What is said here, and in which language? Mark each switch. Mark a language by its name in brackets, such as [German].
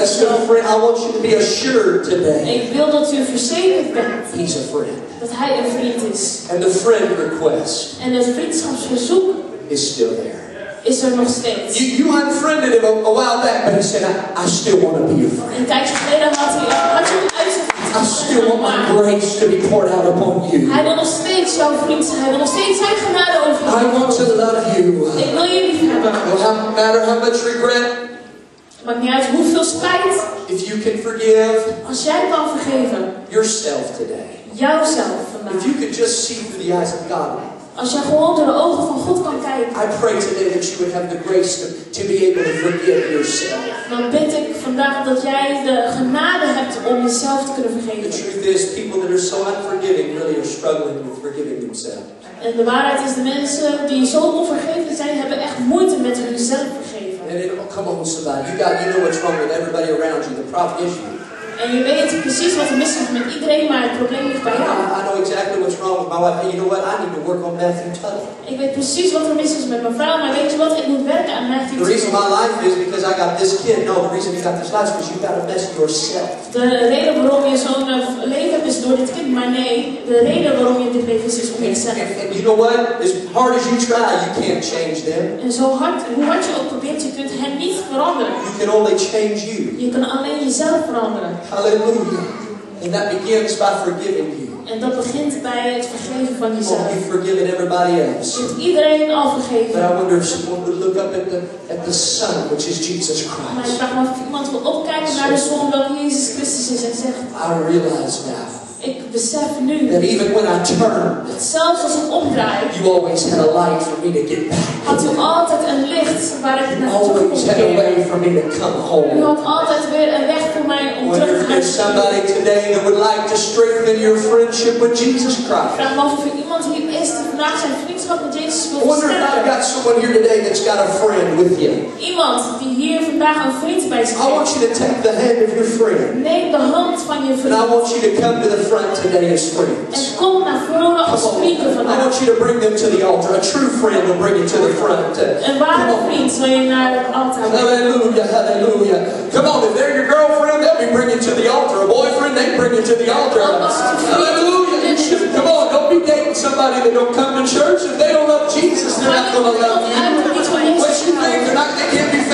[English] Rest of friend, I want you to be assured today. [Dutch] Ik wil dat u verzekerd bent. [English] He's a friend. [Dutch] Dat hij een vriend is. [English] And the friend request. [Dutch] En het vriendschapsverzoek [English] is still there. [Dutch] Is er nog steeds. [English] You unfriended him a while back, but he said, I still want to be your friend. [Dutch] Een tijdje geleden had hij [English] I still want my grace to be poured out upon you. [Dutch] Hij wil nog steeds jouw vriend zijn. Hij wil nog steeds zijn genade over [English] je. I want to love you. [Dutch] Ik wil je liefhebben. [English] No matter how much regret. [Dutch] Maakt niet uit hoeveel spijt. [English] If you can forgive. [Dutch] Als jij kan vergeven. [English] Yourself today. [Dutch] Jouzelf vandaag. [English] If you could just see through the eyes of God. [Dutch] Als jij gewoon door de ogen van God kan kijken. [English] I pray today that you would have the grace to be able to forgive yourself. [Dutch] Dan bid ik vandaag dat jij de genade hebt om jezelf te kunnen vergeven. [English] The truth is, people that are so unforgiving really are struggling with forgiving themselves. [Dutch] En de waarheid is, de mensen die zo onvergeven zijn, hebben echt moeite met hunzelf vergeven. [English] And come on, somebody, you know what's wrong with everybody around you. The problem is you. [Dutch] En je weet precies wat er mis is met iedereen, maar het probleem ligt bij jou. [English] I know exactly what's wrong with my wife. You know what? I need to work on Matthew Tully. [Dutch] Ik weet precies wat er mis is met mijn vrouw, maar weet je wat? Ik moet werken aan Matthew Tully. [English] The reason my life is because I got this kid. No, the reason you got this life is because you got to mess yourself. [Dutch] De reden waarom je zo'n leven hebt is door dit kind, maar nee, de reden waarom je dit leven is om jezelf. [English] And you know what? As hard as you try, you can't change them. [Dutch] En zo hard, hoe hard je ook probeert, je kunt hen niet veranderen. [English] You can only change you. [Dutch] Je kan alleen jezelf veranderen. [English] Hallelujah. And that begins by forgiving you. [Dutch] En dat begint bij het vergeven van jezelf. [English] Oh, you've forgiven everybody else. [Dutch] Je hebt iedereen al vergeven. [English] But I wonder if someone would look up at the Son, which is Jesus Christ. [Dutch] Maar ik vraag me af of iemand wil opkijken naar de Zoon, welke Jezus Christus is, en zegt. [English] I realize now. [Dutch] Ik besef nu. [English] That even when I turn. [Dutch] Zelfs als ik omdraai. [English] You always had a light for me to get back. [Dutch] Had u altijd een licht waar ik naartoe kon keren. [English] Always had a way for me to come home. [Dutch] U had altijd weer een weg voor mij om terug te gaan. [English] Wonder if there's somebody today that would like to strengthen your friendship with Jesus Christ. [Dutch] Vraag me af of er iemand hier is die vandaag zijn vriendschap met Jezus wil versterken. [English] Wonder if I've got someone here today that's got a friend with you. [Dutch] Iemand die hier vandaag een vriend bij zich heeft. [English] I want you to take the hand of your friend. [Dutch] Neem de hand van je vriend. [English] And I want you to come to the front today as friends. [Dutch] En kom naar voren als vrienden vandaag. [English] I want you to bring them to the altar. A true friend will bring you to the front. [Dutch] Een ware vriend zal je naar het altaar brengen. Hallelujah, hallelujah. [English] Come on, if they're your girlfriend, they'll be bringing you to the altar. A boyfriend, they bring you to the altar. Hallelujah. Come on, don't be dating somebody that don't come to church. If they don't love Jesus, they're not going to love you. What you think? They're not going to